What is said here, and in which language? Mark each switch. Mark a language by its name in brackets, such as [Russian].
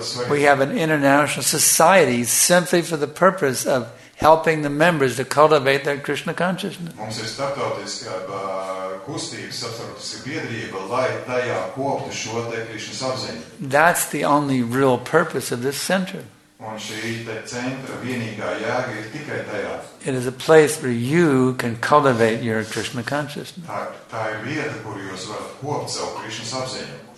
[English] We have an international society simply for the purpose of helping the members to cultivate their Krishna consciousness. [Latvian] Mums ir starptautiska kustība, starptautiska biedrība, lai tajā koptu šo te Krishna apziņu. [English] That's the only real purpose of this center. [Latvian] Un šī te centra vienīgā jēga ir tikai tajā. [English] It is a place where you can cultivate your Krishna consciousness. [Latvian] Tā ir vieta, kur jūs varat kopt savu Krishna apziņu.